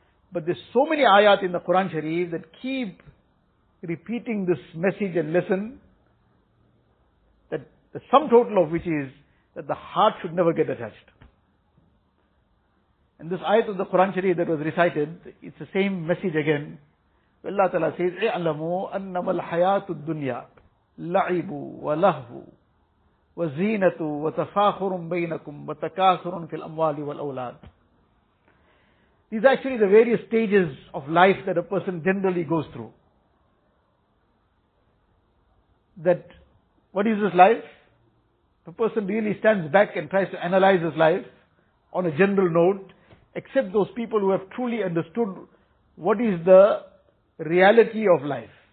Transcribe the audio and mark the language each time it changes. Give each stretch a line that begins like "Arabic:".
English: But there's so many ayat in the Quran Sharif that keep repeating this message and lesson, that the sum total of which is that the heart should never get attached. And this ayat of the Quran Sharif that was recited, it's the same message again. Allah Ta'ala says,
Arabic: اِعْلَمُوا أَنَّمَا الْحَيَاةُ الدُّنْيَا لَعِبُ وَلَهْوُ وزينة وتفاخر بينكم وتكاثر في الأموال والأولاد.
English: These are actually the various stages of life that a person generally goes through. That, what is this life? The person really stands back and tries to analyze his life on a general note, except those people who have truly understood what is the reality of life.